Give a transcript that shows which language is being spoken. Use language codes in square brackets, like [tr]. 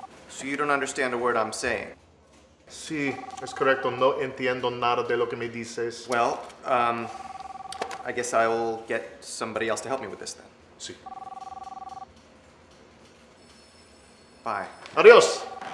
[en] So you don't understand a word I'm saying? [es] Sí, es correcto, no entiendo nada de lo que me dices. [en] Well, I guess I will get somebody else to help me with this then. [es] Sí. [en] Bye. [es] Adios!